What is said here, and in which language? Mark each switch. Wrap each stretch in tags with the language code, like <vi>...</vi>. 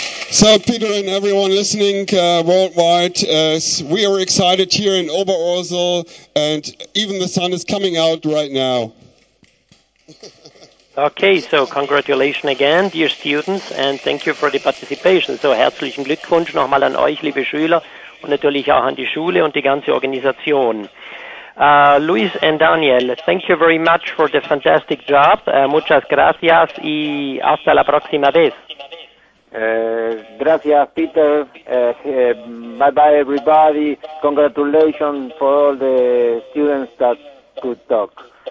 <en>So, Peter and everyone listening worldwide, we are excited here in Oberursel, and even the sun is coming out right now. Okay, so congratulations again, dear students, and thank you for the participation.</en> <de>So, herzlichen Glückwunsch nochmal an euch, liebe Schüler, und natürlich auch an die Schule und die ganze Organisation.</de> <en>Luis and Daniel, thank you very much for the fantastic job.</en> <es>Muchas gracias y hasta la próxima vez. Gracias, Peter. Bye-bye, everybody.</es> <en>Congratulations for all the students that could talk.</en>